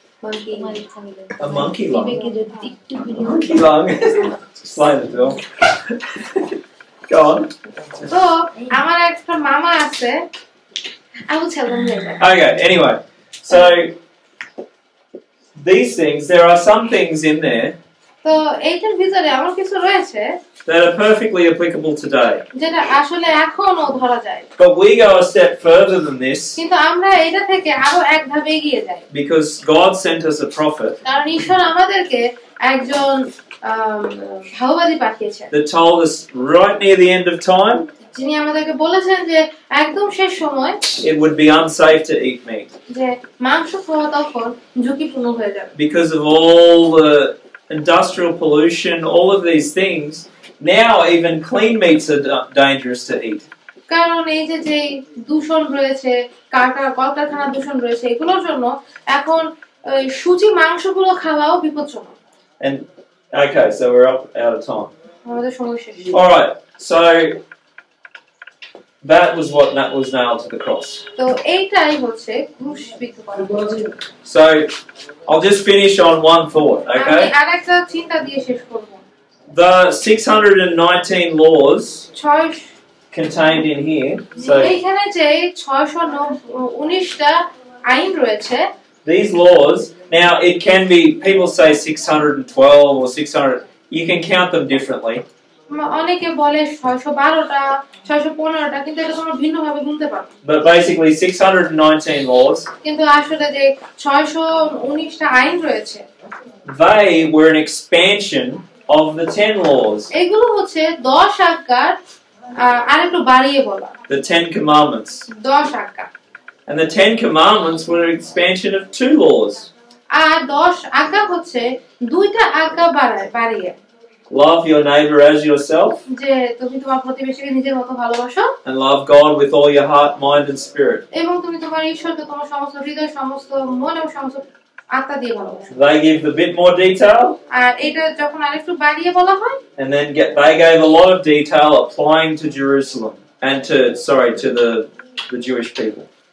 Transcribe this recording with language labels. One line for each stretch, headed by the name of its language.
English: monkey lung. Go on. So, our extra mama is there. I will tell them later. Okay. Anyway, so these things, there are some things in there.
Bangla: So, এইটার ভিতরে আমার কিছু রয়েছে
English: that are perfectly applicable today.
Bangla: যেটা আসলে এখনো ধরা যায়.
English: But we go a step further than this.
Bangla: কিন্তু আমরা এটা থেকে আরো এক ধাপ এগিয়ে যাই.
English: Because God sent us a prophet.
Bangla: কারণ ঈশ্বর আমাদেরকে একজন ভাববাদী পাঠিয়েছেন.
English: That told us right near the end of time.
Bangla: যিনি আমাদেরকে বলেছেন যে একদম শেষ সময়
English: it would be unsafe to eat meat.
Bangla: যে মাংস খাওয়া তখন ঝুঁকিপূর্ণ হয়ে যাবে.
English: Because of all the industrial pollution, all of these things, now even clean meats are dangerous to eat.
Bangla: কারণ এই যে দূষণ রয়েছে কলকারখানা দূষণ রয়েছে এগুলোর জন্য এখন সুজি মাংসগুলো খাওয়াও বিপজ্জনক.
English: And okay, so we're up out of time.
Bangla: আমাদের সময় শেষ.
English: All right, so that was what that was nailed to the cross.
Bangla: তো এইটাই হচ্ছে ক্রুশ বিক্রিয়া.
English: So I'll just finish on one thought, okay?
Bangla: আমি আরেকটা চিন্তা দিয়ে শেষ করব.
English: The 619 laws charge contained in here. So
Bangla: এখানে যে 619টা আইন রয়েছে.
English: These laws, now it can be people say 612 or 600, you can count them differently.
Bangla: অনেকে বলে 612টা 615টা কিন্তু এটা তোমরা ভিন্ন ভাবে গুনতে পারো.
English: But basically 619 laws.
Bangla: কিন্তু আসলে যে 619টা আইন রয়েছে.
English: They were an expansion of the 10 laws.
Bangla: এগুলো হচ্ছে 10 আজ্ঞার আরেকটু বাড়িয়ে বলা.
English: The 10 commandments.
Bangla: 10 আজ্ঞা.
English: And the 10 commandments were an expansion of 2 laws.
Bangla: আর 10 আজ্ঞা হচ্ছে দুইটা আজ্ঞা বাড়িয়ে.
English: Love your neighbor as yourself.
Bangla: যে তুমি তোমার প্রতিবেশীকে নিজের মতো ভালোবাসো.
English: And love God with all your heart, mind and spirit.
Bangla: এবং তুমি তোমার ঈশ্বরকে তোমার সমস্ত হৃদয় সমস্ত মন এবং সমস্ত আত্মা দিয়ে ভালোবাসো.
English: They give a bit more detail.
Bangla: আর এটা যখন আরেকটু বাড়িয়ে বলা হয়.
English: And then they gave a lot of detail applying to Jerusalem and to the Jewish people.